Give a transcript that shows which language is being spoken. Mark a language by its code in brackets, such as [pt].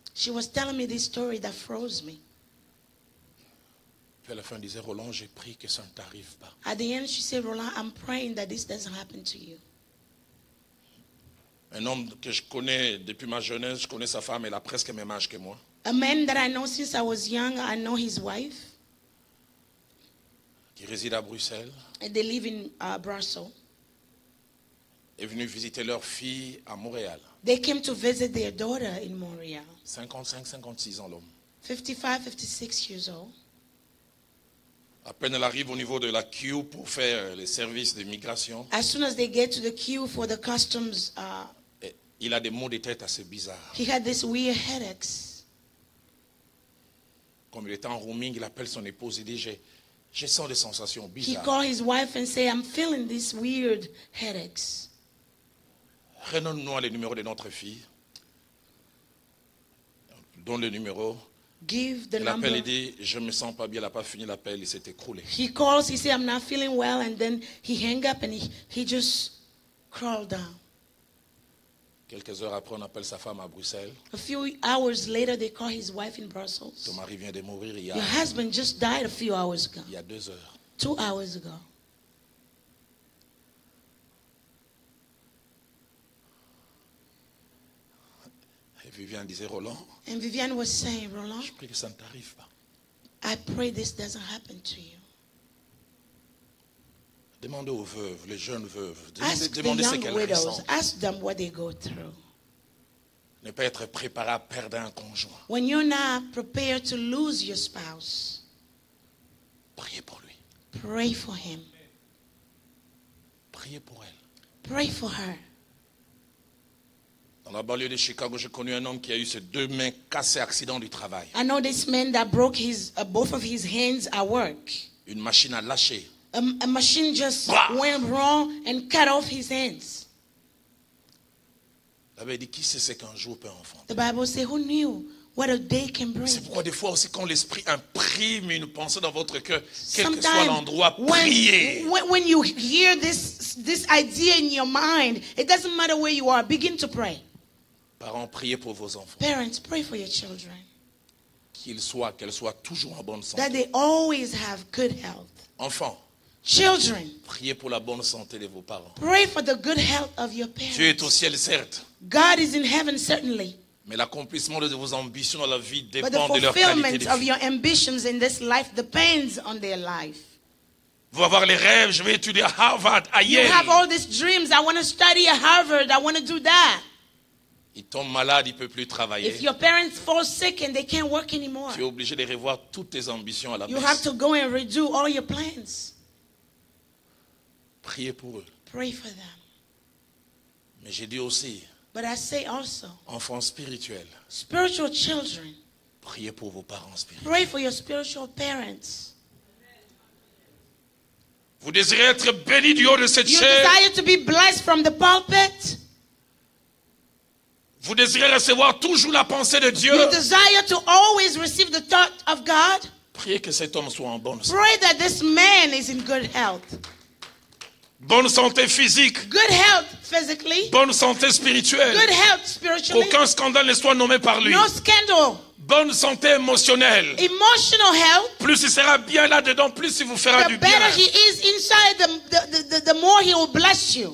[en] She was telling me this story that froze me. [fr] Puis à la fin, elle disait, Roland, j'ai prié que ça ne t'arrive pas. [en] At the end, she said, Roland, I'm praying that this doesn't happen to you. [fr] Un homme que je connais depuis ma jeunesse, je connais sa femme, elle a presque le même âge que moi. [en] A man that I know since I was young, I know his wife. [fr] Qui réside à Bruxelles. [en] And they live in Brussels. [fr] Est venu visiter leur fille à Montréal. [en] They came to visit their daughter in Montreal. [fr] 55-56 ans l'homme. [en] 55-56 years old. [fr] À peine elle arrive au niveau de la queue pour faire les services d'immigration. [en] As soon as they get to the queue for the customs. [fr] Il a des maux de tête assez bizarres. [en] He had this weird headaches. [fr] Comme il était en roaming, il appelle son épouse et dit je sens des sensations bizarres. [en] He called his wife and said I'm feeling this weird headaches. [fr] Redonne-nous le numéro de notre fille. Donne le numéro. [en] Give the [fr] L'appel [en] number. [fr] Dit, je me sens pas bien. Il a pas fini l'appel, il s'est écroulé. [en] He calls, he says, I'm not feeling well, and then he hang up and he just crawled down. [fr] Quelques heures après, on appelle sa femme à Bruxelles. [en] A few hours later, they call his wife in Brussels. [fr] Ton mari vient de mourir hier. [en] Your husband just died a few hours ago. [fr] Il y a 2 heures. [en] 2 hours ago. [fr] Viviane disait Roland. [en] And Viviane was saying, Roland. [fr] Je prie que ça ne t'arrive pas. [en] I pray this doesn't happen to you. [fr] Demandez aux veuves, les jeunes veuves. [en] Ask [fr] demandez [en] the young widows. Ask them what they go through. [fr] Ne pas être préparé à perdre un conjoint. [en] When you're not prepared to lose your spouse. [fr] Priez pour lui. [en] Pray for him. [fr] Priez pour elle. [en] Pray for her. [fr] Dans la banlieue de Chicago, j'ai connu un homme qui a eu ses 2 mains cassées accident du travail. [en] I know this man that broke his both of his hands at work. [fr] Une machine a lâché. [en] A machine just went wrong and cut off his hands. [fr] La Bible dit qui sait ce qu'un jour peut enfanter. [en] The Bible says who knew what a day can bring. [fr] C'est pourquoi des fois aussi quand l'esprit imprime une pensée dans votre cœur, quel que soit l'endroit, priez. [en] When you hear this idea in your mind, it doesn't matter where you are, begin to pray. [fr] Parents, priez pour vos enfants. [en] Parents, pray for your children. [fr] Qu'ils soient, qu'elles soient toujours en bonne santé. [en] That they always have good health. [fr] Enfants. [en] Children, [fr] priez pour la bonne santé de vos parents. [en] Pray for the good health of your parents. [fr] Dieu est au ciel, certes. [en] God is in heaven, certainly. [fr] Mais l'accomplissement de vos ambitions dans la vie dépend de leur qualité [en] of your ambitions in this life depends on their life. [fr] Vous avoir les rêves, je vais étudier à Harvard, à Yale. [en] You have all these dreams. I want to study at Harvard. I want to do that. [fr] Il tombe malade, il peut plus travailler. [en] If your parents fall sick and they can't work anymore, [fr] tu es obligé de revoir toutes tes ambitions à la baisse. [en] You have to go and redo all your plans. [fr] Priez pour eux. [en] Pray for them. [fr] Mais j'ai dit aussi. [en] But I say also. [fr] Enfants spirituels. [en] Spiritual children. [fr] Priez pour vos parents spirituels. [en] Pray for your spiritual parents. [fr] Vous désirez être béni du haut de cette chair. [en] You desire to be blessed from the pulpit. [fr] Vous désirez recevoir toujours la pensée de Dieu. [en] You desire to always receive the thought of God. [fr] Priez que cet homme soit en bonne santé. [en] Pray that this man is in good health. [fr] Bonne santé physique. [en] Good health physically. [fr] Bonne santé spirituelle. [en] Good health spiritually. [fr] Aucun scandale ne soit nommé par lui. [en] No scandal. [fr] Bonne santé émotionnelle. [en] Emotional health. [fr] Plus il sera bien là-dedans, plus il vous fera du bien. [en] The better he is inside, the more he will bless you.